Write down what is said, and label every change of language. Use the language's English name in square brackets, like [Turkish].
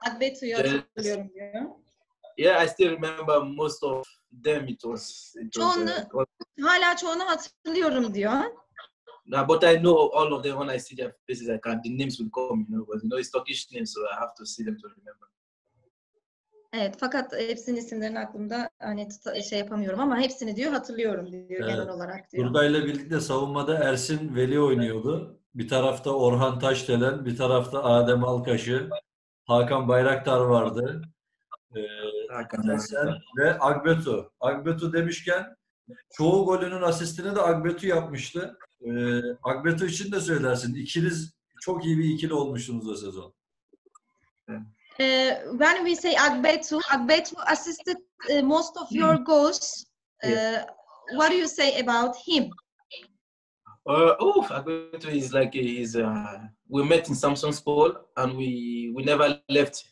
[Turkish] Agbetu, hatırlıyorum. [English] Yeah, I still remember most of them. It was. [Turkish] Hala çoğunu hatırlıyorum diyor. [English] Nah, but I know all of them when I see their faces. I can. The names will come, you know. But you know, it's Turkish names, so I have to see them to remember. [Turkish] Evet, fakat hepsinin isimlerini aklımda hani şey yapamıyorum ama hepsini diyor hatırlıyorum diyor evet. Genel olarak diyor. Turgay'la birlikte savunmada Ersin Veli oynuyordu. Bir tarafta Orhan Taşdelen, bir tarafta Adem Alkaşı, Hakan Bayraktar vardı. Hakan ve Agbetu. Agbetu demişken çoğu golünün asistini de Agbetu yapmıştı. Agbetu için de söylersin. İkiniz çok iyi bir ikili olmuşsunuz o sezon. Evet. [English] When we say Agbetu assisted most of your goals. Yes. What do you say about him? Agbetu is like we met in Samsung's Paul and we never left.